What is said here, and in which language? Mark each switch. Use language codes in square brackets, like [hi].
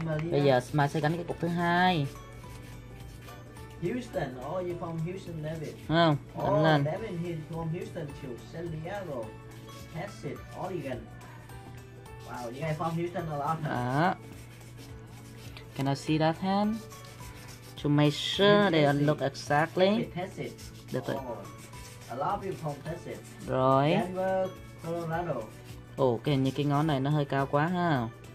[vi] Bây giờ Smile sẽ gắn cái cục thứ hai. [en] Houston, oh, you from Houston, David? Oh, oh, David, he's from Houston too. San Diego, Texas, Oregon. Wow, you guys from Houston a lot. Can I see that hand? To make sure they look exactly. Texas. Oh, a lot of you from Texas. [vi] Rồi. [en] Denver, Colorado. [vi] Oh, cái như cái ngón này nó hơi cao quá ha.